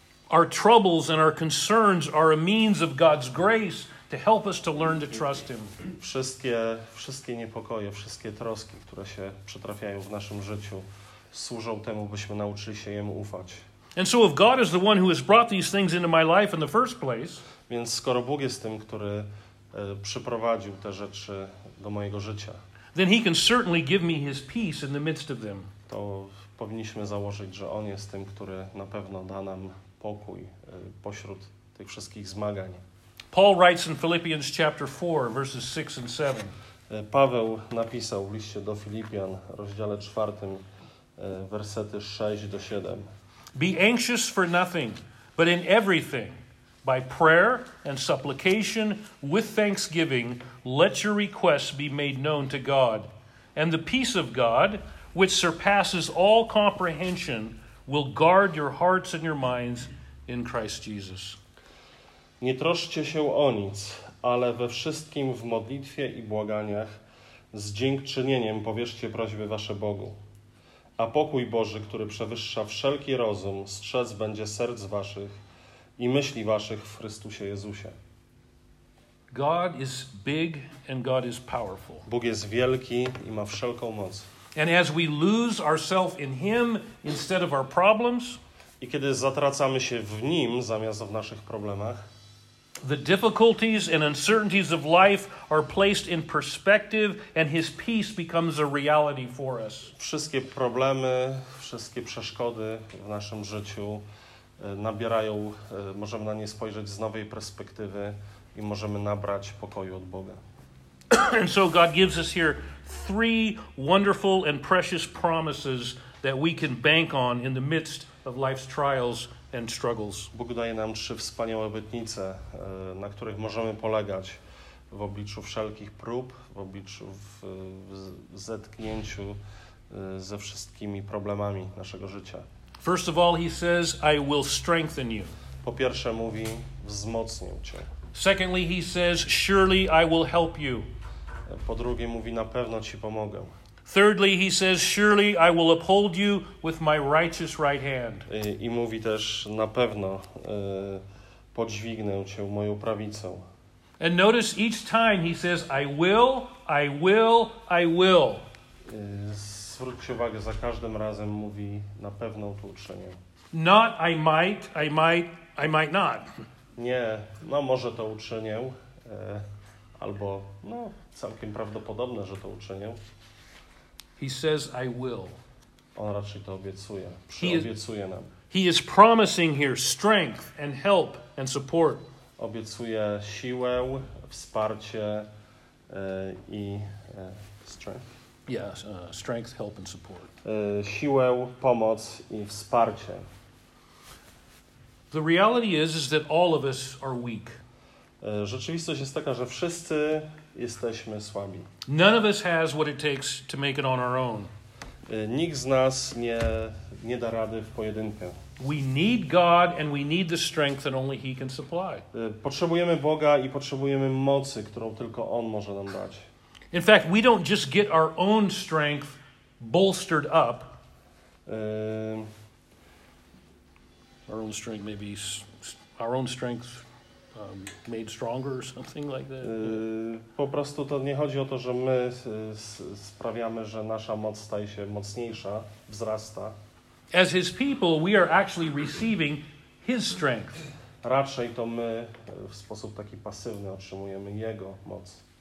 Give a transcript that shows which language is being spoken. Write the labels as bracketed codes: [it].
[en] Our troubles and our concerns are a means of God's grace to help us to learn to trust him. [pl] Wszystkie niepokoje, wszystkie troski, które się przytrafiają w naszym życiu, służą temu, byśmy nauczyli się jemu ufać. [en] And so if God is the one who has brought these things into my life in the first place, [pl] więc skoro Bóg jest tym, który przyprowadził te rzeczy do mojego życia, [en] then he can certainly give me his peace in the midst of them. [pl] To powinniśmy założyć, że on jest tym, który na pewno da nam pokój pośród tych wszystkich zmagań. [en] Paul writes in Philippians chapter 4, verses 6 and 7. [pl] Paweł napisał w liście do Filipian, rozdziale 4, wersety 6 do 7. [en] Be anxious for nothing, but in everything, by prayer and supplication, with thanksgiving, let your requests be made known to God. And the peace of God, which surpasses all comprehension, will guard your hearts and your minds in Christ Jesus. [pl] Nie troszcie się o nic, ale we wszystkim w modlitwie i błaganiach z dziękczynieniem powierzcie prośby wasze Bogu. A pokój Boży, który przewyższa wszelki rozum, strzec będzie serc waszych i myśli waszych w Chrystusie Jezusie. [en] God is big and God is powerful. [pl] Bóg jest wielki i ma wszelką moc. [en] And as we lose ourselves in him instead of our problems, [pl] i kiedy zatracamy się w nim zamiast w naszych problemach, [en] the difficulties and uncertainties of life are placed in perspective and his peace becomes a reality for us. [pl] Wszystkie problemy, wszystkie przeszkody w naszym życiu nabierają, możemy na nie spojrzeć z nowej perspektywy i możemy nabrać pokoju od Boga. [en] And so God gives us here three wonderful and precious promises that we can bank on in the midst of life's trials and struggles. [pl] Bóg daje nam trzy wspaniałe obietnice, na których możemy polegać w obliczu wszelkich prób, w obliczu w zetknięciu ze wszystkimi problemami naszego życia. [en] First of all, he says, I will strengthen you. [pl] Po pierwsze mówi, wzmocnię cię. [en] Secondly, he says, surely I will help you. [pl] Po drugie mówi, na pewno ci pomogę. [en] Thirdly, he says, surely I will uphold you with my righteous right hand. [pl] I mówi też, na pewno podźwignę cię moją prawicą. [en] And notice each time he says, I will, I will, I will. [pl] Zwróćcie uwagę, za każdym razem mówi, na pewno to uczynię. [en] Not I might, I might, I might not. [pl] Nie, no może to uczynię, albo no całkiem prawdopodobne, że to uczynię. [en] He says, I will. [pl] On raczej to obiecuje, przyobiecuje nam. [en] He is promising here strength and help and support. [pl] Obiecuje siłę, wsparcie i strength. [en] Yes, strength, help and support. [pl] Siłę, pomoc i wsparcie. [en] The reality is that all of us are weak. [pl] Rzeczywistość jest taka, że wszyscy jesteśmy słabi. [en] None of us has what it takes to make it on our own. [pl] Nikt z nas nie da rady w pojedynkę. [en] We need God and we need the strength that only he can supply. [pl] Potrzebujemy Boga i potrzebujemy mocy, którą tylko on może nam dać. [en] In fact, we don't just get our own strength bolstered up. Our own strength, maybe our own strength made stronger or something like that. [pl] Po prostu to nie chodzi o to, że my sprawiamy, że nasza moc staje się mocniejsza, wzrasta. [en] As his people, we are actually receiving his strength. [pl] Raczej to my w sposób taki pasywny otrzymujemy jego moc.